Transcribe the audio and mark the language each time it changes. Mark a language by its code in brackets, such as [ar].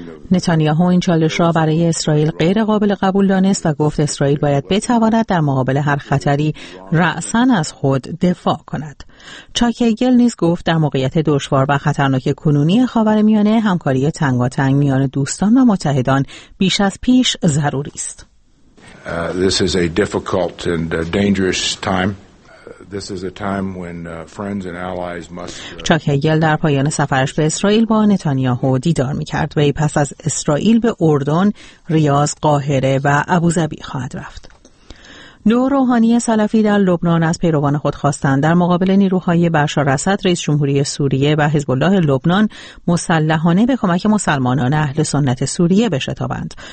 [fa] نتانیاهو این چالش را برای اسرائیل غیر قابل قبول دانست و گفت اسرائیل باید بتواند در مقابل هر خطری رأساً از خود دفاع کند. چاک ایگل نیز گفت در موقعیت دشوار و خطرناک کنونی خاورمیانه همکاری تنگاتنگ میان دوستان و متحدان بیش از پیش ضروری است. [en] This is a difficult and dangerous time. This is a time when friends and allies must. [fa] چاک هیگل در پایان سفرش به اسرائیل با نتانیاهو دیدار می‌کرد و پس از اسرائیل به اردن، ریاض، قاهره و ابوظبی خواهد رفت. دو روحانی سلفی در لبنان از پیروان خود خواستند در مقابل نیروهای بشار اسد رئیس جمهوری سوریه و حزب الله لبنان مسلحانه به کمک مسلمانان اهل سنت سوریه بشتابند.